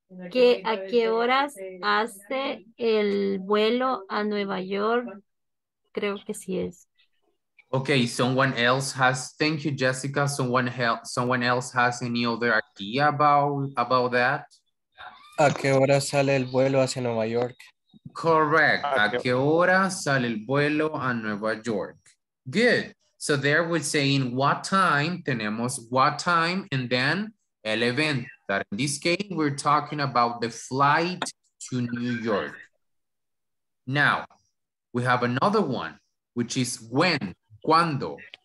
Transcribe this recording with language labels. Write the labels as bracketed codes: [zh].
[es] ¿Qué, a qué horas hace el vuelo a Nueva York? Creo que sí es. [en] Okay, someone else has, thank you, Jessica. Someone help, someone else has any other idea about that? [es] ¿A qué hora sale el vuelo hacia Nueva York? [en] Correct. [es] ¿A qué hora sale el vuelo a Nueva York? [en] Good. So there we're saying what time, tenemos what time, and then [es] el evento. [en] That in this case, we're talking about the flight to New York. Now, we have another one, which is when, cuando.